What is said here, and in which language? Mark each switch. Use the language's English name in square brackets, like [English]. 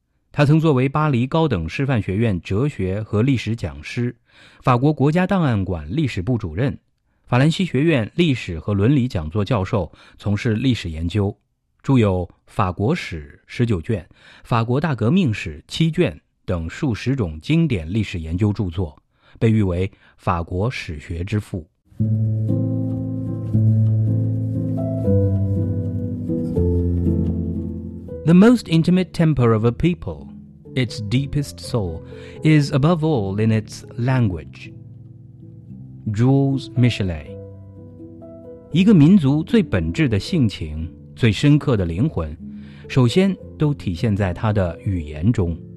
[Chinese] 他曾作为巴黎高等师范学院哲学和历史讲师，法国国家档案馆历史部主任，法兰西学院历史和伦理讲座教授，从事历史研究，著有《法国史》19卷、《法国大革命史》7卷等数十种经典历史研究著作，被誉为法国史学之父。 [English] The most intimate temper of a people, its deepest soul, is above all in its language. Jules Michelet. [Chinese] 一个民族最本质的性情，最深刻的灵魂，首先都体现在他的语言中。